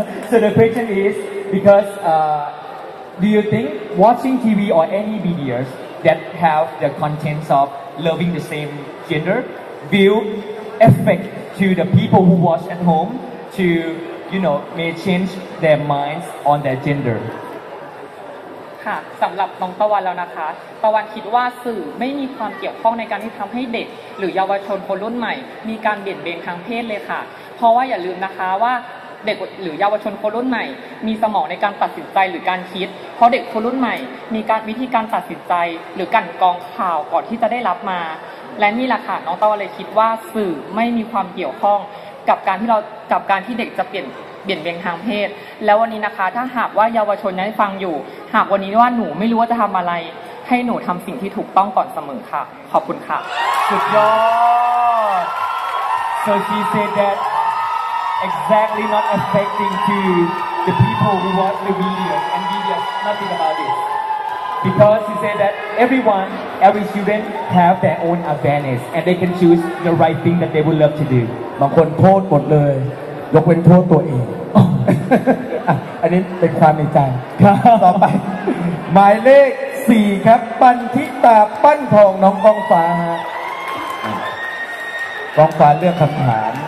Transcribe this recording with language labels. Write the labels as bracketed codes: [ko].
[en] So the question is, because do you think watching TV or any videos that have the contents of loving the same gender will affect to the people who watch at home to, you know, may change their minds on their gender? [th] ค่ะสำหรับน้องตะวันแล้วนะคะตะวันคิดว่าสื่อไม่มีความเกี่ยวข้องในการที่ทำให้เด็กหรือเยาวชนคนรุ่นใหม่มีการเบี่ยงเบนทางเพศเลยค่ะเพราะว่าอย่าลืมนะคะว่าเด็กหรือเยาวชนคนรุ่นใหม่มีสมองในการตัดสินใจหรือการคิดเพราะเด็กคนรุ่นใหม่มีการวิธีการตัดสินใจหรือกลั่นกรองข่าวก่อนที่จะได้รับมา และนี่แหละค่ะน้องตะวันเลยคิดว่าสื่อไม่มีความเกี่ยวข้องกับการที่เรากับการที่เด็กจะเปลี่ยนเบนทางเพศแล้ววันนี้นะคะถ้าหากว่าเยาวชนยังฟังอยู่หากวันนี้ว่าหนูไม่รู้ว่าจะทำอะไรให้หนูทำสิ่งที่ถูกต้องก่อนเสมอค่ะขอบคุณค่ะ สุดยอด [en] so she said thatExactly not affecting to the people who watch the videos and videos, nothing about it. Because he said that everyone, every student have their own awareness and they can choose the right thing that they would love to do. [th] บางคนโทษหมดเลยยกเว้นโทษตัวเองอันนี้เป็นความในใจ ครับ ต่อไปหมายเลข4ครับปันทิตาปั้นทองน้องกองฟ้าฮะกองฟ้าเลือกคำถาม